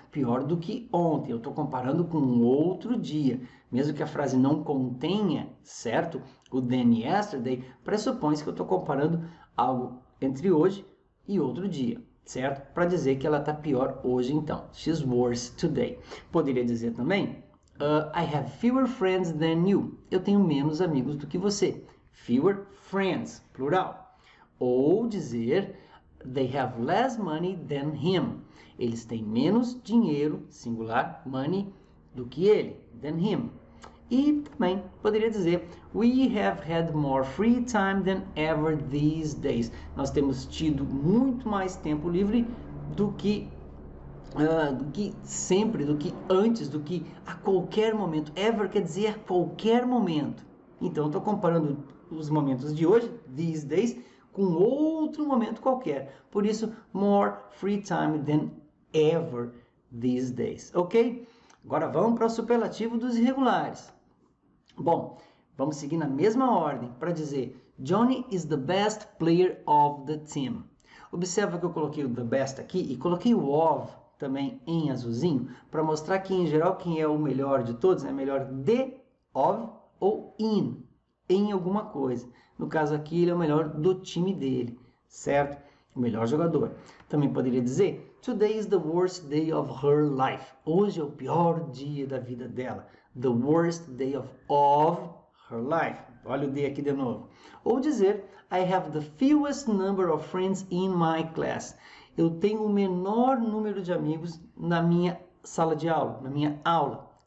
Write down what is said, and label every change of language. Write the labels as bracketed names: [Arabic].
[Portuguese] Pior do que ontem. Eu estou comparando com um outro dia. Mesmo que a frase não contenha, certo? O [English] than yesterday, [Portuguese] pressupõe-se que eu estou comparando algo entre hoje e outro dia, certo? Para dizer que ela está pior hoje, então. [English] She's worse today. [Portuguese] Poderia dizer também, [English] I have fewer friends than you. [Portuguese] Eu tenho menos amigos do que você. [English] Fewer friends, [Portuguese] plural. Ou dizer, [English] they have less money than him. [Portuguese] Eles têm menos dinheiro, singular, money, do que ele, [English] than him. [Portuguese] E também poderia dizer, [English] we have had more free time than ever these days. [Portuguese] Nós temos tido muito mais tempo livre do que sempre, do que antes, do que a qualquer momento. Ever quer dizer a qualquer momento. Então, estou comparando os momentos de hoje, [English] these days, [Portuguese] com outro momento qualquer. Por isso, [English] more free time than ever these days. [Portuguese] Ok? Agora vamos para o superlativo dos irregulares. Bom, vamos seguir na mesma ordem para dizer Johnny [English] is the best player of the team. [Portuguese] Observa que eu coloquei o the best aqui e coloquei o of também em azulzinho para mostrar que, em geral, quem é o melhor de todos é melhor de, of ou in, em alguma coisa. No caso aqui, ele é o melhor do time dele, certo? O melhor jogador. Também poderia dizer [English] Today is the worst day of her life. [Portuguese] Hoje é o pior dia da vida dela. [English] The worst day of her life. [Portuguese] Olha o D aqui de novo. Ou dizer, [English] I have the fewest number of friends in my class. [Portuguese] Eu tenho o menor número de amigos na minha sala de aula, na minha aula.